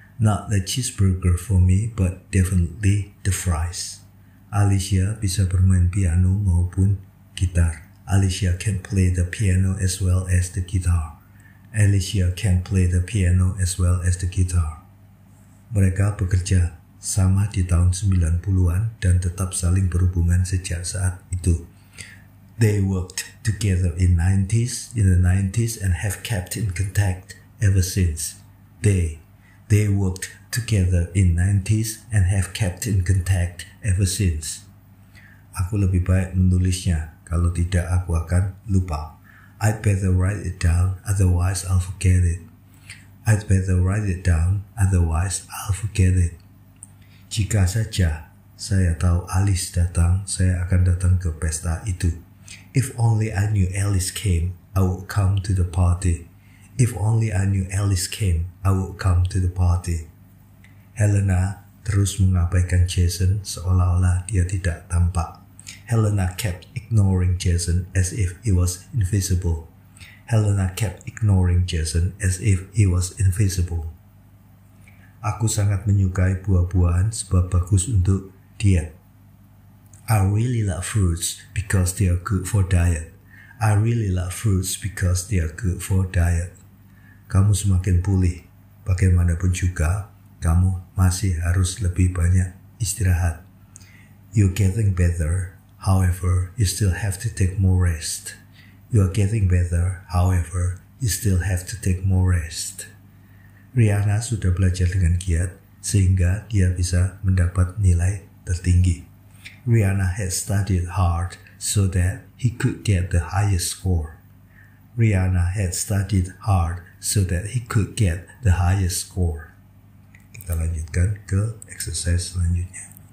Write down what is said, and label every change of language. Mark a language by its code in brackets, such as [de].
[en] Not a cheeseburger for me, but definitely the fries. [id] Alicia bisa bermain piano maupun gitar. [en] Alicia can play the piano as well as the guitar. Alicia can play the piano as well as the guitar. [id] Mereka bekerja sama di tahun 90-an dan tetap saling berhubungan sejak saat itu. [en] They worked together in the 90s and have kept in contact ever since. They worked together in 90s and have kept in contact ever since. [id] Aku lebih baik menulisnya, kalau tidak aku akan lupa. [en] I'd better write it down, otherwise I'll forget it. I'd better write it down, otherwise I'll forget it. [id] Jika saja saya tahu Alice datang, saya akan datang ke pesta itu. [en] If only I knew Alice came, I would come to the party. If only I knew Alice came, I would come to the party. [id] Helena terus mengabaikan Jason seolah-olah dia tidak tampak. [en] Helena kept ignoring Jason as if he was invisible. Helena kept ignoring Jason as if he was invisible. [id] Aku sangat menyukai buah-buahan sebab bagus untuk diet. [en] I really love fruits because they are good for diet. I really love fruits because they are good for diet. [id] Kamu semakin pulih. Bagaimanapun juga, kamu masih harus lebih banyak istirahat. [en] You're getting better, however, you still have to take more rest. You're getting better, however, you still have to take more rest. [id] Rihanna sudah belajar dengan giat sehingga dia bisa mendapat nilai tertinggi. [en] Rihanna had studied hard so that he could get the highest score. Rihanna had studied hard so that he could get the highest score. [id] Kita lanjutkan ke exercise selanjutnya.